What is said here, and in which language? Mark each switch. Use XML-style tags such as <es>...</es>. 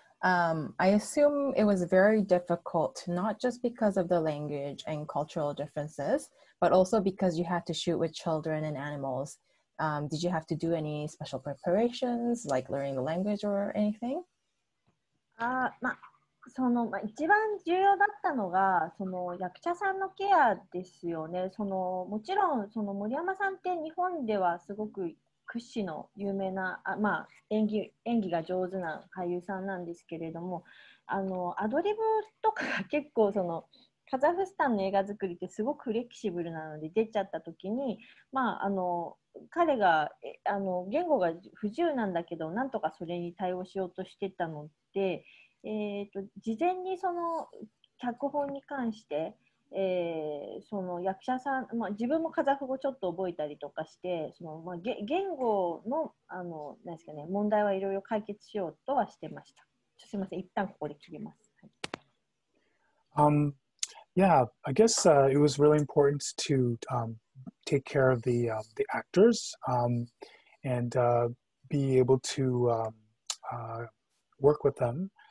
<en>I assume it was very difficult, not just because of the language and cultural differences, but also because you had to shoot with children and animals. Did you have to do any special preparations, like learning the language or anything?</en> <ja>その、一番重要だったのが、その役者さんのケアですよね。その、もちろん、その森山さんって日本ではすごく屈指の有名な、まあ、演技が上手な俳優さんなんですけれども、あのアドリブとかが結構そのカザフスタンの映画作りってすごくフレキシブルなので、出ちゃった時に、まあ、あの彼があの言語が不自由なんだけどなんとかそれに対応しようとしてたので、事前にその脚本に関して、その役者さん、まあ、自分もカザフ語ちょっと覚えたりとかして、その、まあ、言語 の, あの何ですか、ね、問題はいろいろ解決しようとはしてました。すみません、一旦ここで切ります。はい、</ja> <en>Yeah, I guess it was really important to take care of the actors and be able to work with them.</en>